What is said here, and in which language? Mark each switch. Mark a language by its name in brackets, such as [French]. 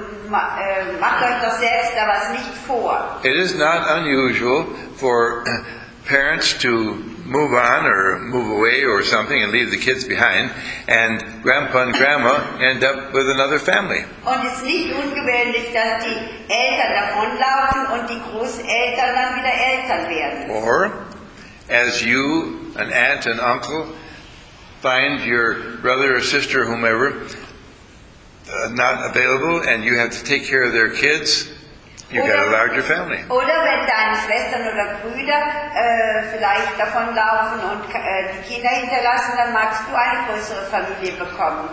[German] Macht euch doch selbst da was nicht vor. [English] It is not unusual for parents to move on or move away or something and leave the kids behind, and grandpa and grandma end up with another family. [German] Und es ist nicht ungewöhnlich, dass die Eltern davonlaufen und die Großeltern dann wieder Eltern werden. [English] Or, as you, an aunt, an uncle, find your brother or sister, whomever, not available, and you have to take care of their kids, you've got a larger family. [German] Oder wenn deine Schwestern oder Brüder vielleicht davonlaufen und die Kinder hinterlassen, dann magst du eine größere Familie bekommen.